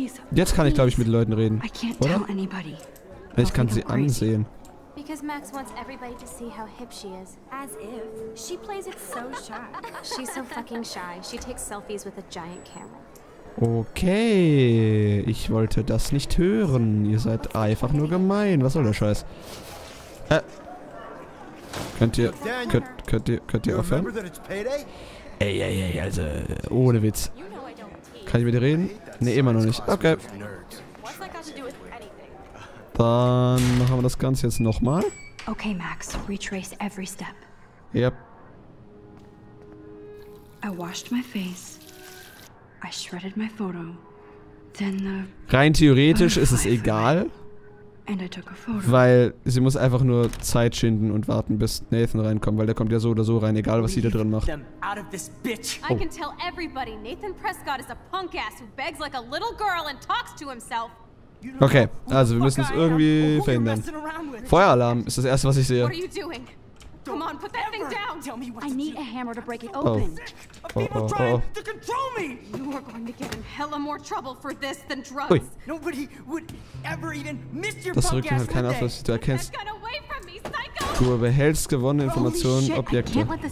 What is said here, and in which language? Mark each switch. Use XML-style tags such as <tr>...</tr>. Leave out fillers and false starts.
<de>Jetzt kann ich, glaube ich, mit Leuten reden, oder? Ich kann sie ansehen.</de> <en>Because Max wants everybody to see how hip she is. As if. She plays it so shy. She's so fucking shy. She takes selfies with a giant camera.</en> <de>Okay, ich wollte das nicht hören. Ihr seid einfach nur gemein. Was soll der Scheiß? Könnt ihr aufhören? Ey, also ohne Witz. Kann ich mit dir reden? Nee, immer noch nicht. Okay. Dann machen wir das Ganze jetzt nochmal.</de> <en>Okay, Max, retrace every step. Yep. I washed my face. I shredded my photo. Then the</en> <de>rein theoretisch ist es egal.</de> <en>And I took a photo.</en> <de>Weil sie muss einfach nur Zeit schinden und warten, bis Nathan reinkommt, weil der kommt ja so oder so rein, egal was sie da drin macht. Oh.</de> <en>I can tell everybody Nathan Prescott is a punk ass who begs like a little girl and talks to himself.</en> <de>Okay, also wir müssen es irgendwie verhindern. Feueralarm ist das erste, was ich sehe.</de> <en>Come on, put that thing down. Tell me what I need a hammer to break it open. People trying to control me. You are going to get in hella more trouble for this than drugs. Nobody would ever even miss your</en> <de>das Rücken hat keinen Aufwand, du erkennst. Du behältst gewonnene Informationen, Objekte.</de>